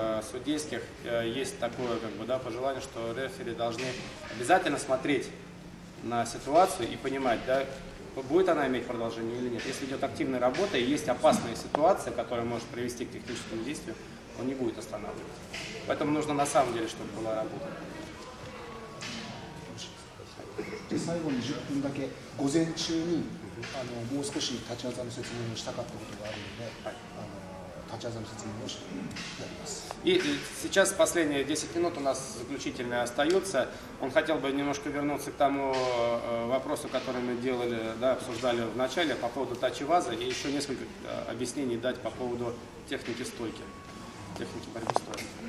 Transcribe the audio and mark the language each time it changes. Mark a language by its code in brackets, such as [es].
[ru] судейских есть такое, как бы, да, пожелание, что рефери должны обязательно смотреть на ситуацию и понимать, да, будет она иметь продолжение или нет. Если идет активная работа и есть опасная ситуация, которая может привести к техническому действию, он не будет останавливаться. Поэтому нужно на самом деле, чтобы была работа. [ja] で最後に10分だけ午前中にあのもう少し立ち技の説明をしたかったことがあるので、はい、あの立ち技の説明をしております。 [ru] И сейчас последние 10 минут у нас заключительные остаются. Он хотел бы немножко вернуться к тому вопросу, который мы делали, да, обсуждали в начале по поводу тачи-вазы и еще несколько объяснений дать по поводу техники стойки, техники борьбы стойки.